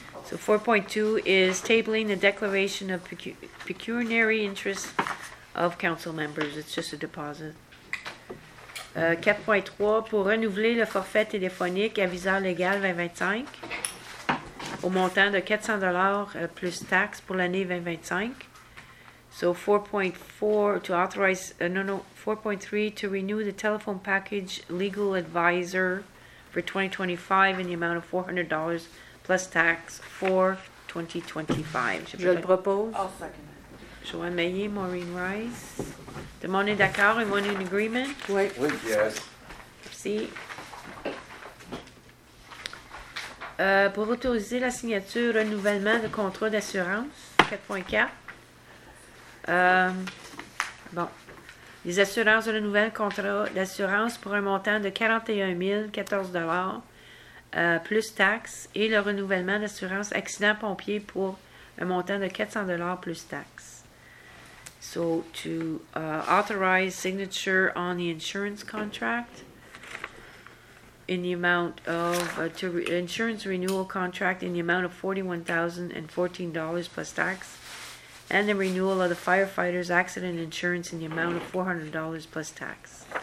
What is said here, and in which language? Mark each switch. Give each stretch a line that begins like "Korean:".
English: So 4.2 is tabling the declaration of pecuniary interest of council members. It's just a deposit.
French: 4.3, pour renouveler le forfait téléphonique à viseur légal 2025 au montant de $400 plus taxes pour l'année 2025.
English: So 4.3, to renew the telephone package legal advisor for 2025 in the amount of $400 plus tax for 2025.
French: Je le propose.
English: I'll second.
French: Joanne Maillet, Maureen Rice. Tout le monde est d'accord? Et
English: one in agreement?
French: Oui. Oui,
English: yes.
French: Merci. Pour autoriser la signature renouvellement de contrat d'assurance, 4.4. Les assurances de renouvellement contrat d'assurance pour un montant de $41,014 plus taxes et le renouvellement d'assurance accident pompier pour un montant de $400 plus taxes.
English: So, to authorize signature on the insurance contract in the amount of, insurance renewal contract in the amount of $41,014 plus tax, and the renewal of the firefighters accident insurance in the amount of $400 plus tax.